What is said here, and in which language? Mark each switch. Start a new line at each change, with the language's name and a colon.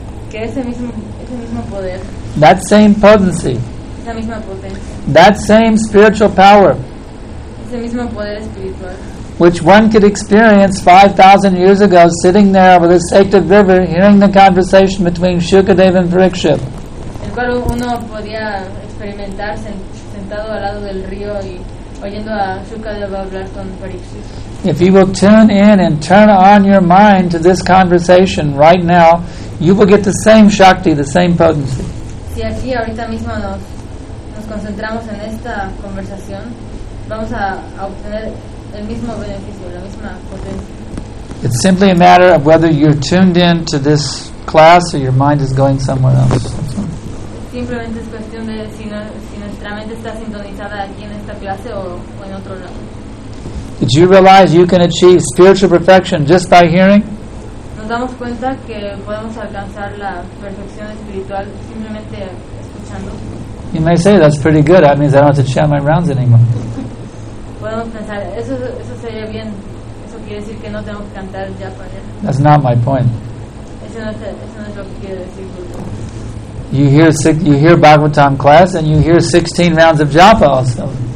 Spanish: que ese mismo poder,
English: that same potency,
Spanish: esa misma potencia,
English: that same spiritual power,
Spanish: ese mismo poder espiritual,
English: which one could experience 5,000 years ago sitting there with a sacred river hearing the conversation between Shukadev and Parikshit,
Spanish: el cual uno podía experimentar sentado al lado del río y oyendo a Shukadev hablar con Parikshit.
English: If you will tune in and turn on your mind to this conversation right now, you will get the same Shakti, the same potency.
Spanish: Si aquí ahorita mismo nos concentramos en esta conversación, vamos a obtener el mismo beneficio, la misma potencia.
English: It's simply a matter of whether you're tuned in to this class or your mind is going somewhere else.
Spanish: Simplemente es cuestión de si nuestra mente está sintonizada aquí en esta clase o en otro lado.
English: Did you realize you can achieve spiritual perfection just by hearing?
Spanish: Nos damos cuenta que podemos alcanzar la perfección espiritual simplemente escuchando.
English: You may say that's pretty good. That means I don't have to chant my rounds anymore.
Spanish: Podemos pensar eso sería bien. Eso quiere decir que no tenemos que cantar ya para.
English: That's not my point.
Spanish: Eso no es lo que quiere decir.
English: You hear Bhagavatam class and you hear 16 rounds of japa also.